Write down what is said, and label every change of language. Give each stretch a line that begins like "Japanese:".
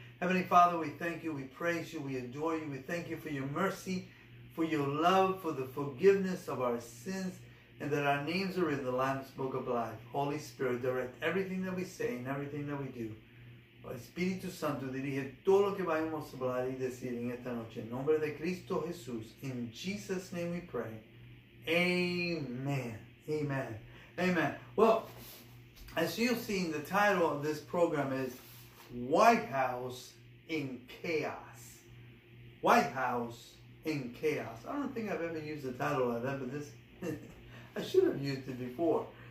English: Heavenly Father, we thank you. We praise you. We adore you. We thank you for your mercy, for your love, for the forgiveness of our sins, and that our names are in the Lamb's Book of Life. Holy Spirit, direct everything that we say and everything that we do.
Spanish: Espíritu Santo, dirige todo lo que vayamos a hablar y decir en esta noche. En nombre de Cristo Jesús,
English: in Jesus' name we pray. Amen. Amen. Amen. Well, as you've seen, the title of this program is White House in Chaos. White House in Chaos. I don't think I've ever used the title like that, but this, I should have used it before.